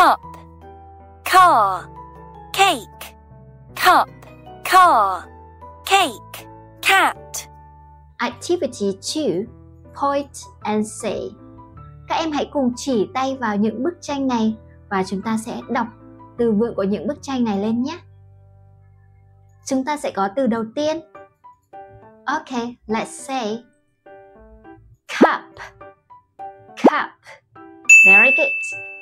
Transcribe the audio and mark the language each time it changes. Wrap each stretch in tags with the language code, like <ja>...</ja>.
<en>cup, car, cake, cup, car, cake, cat. Activity 2, point and say.</en> <vi>Các em hãy cùng chỉ tay vào những bức tranh này và chúng ta sẽ đọc từ vựng của những bức tranh này lên nhé. Chúng ta sẽ có từ đầu tiên.</vi> <en>Okay, let's say cup, cup, very good.</en>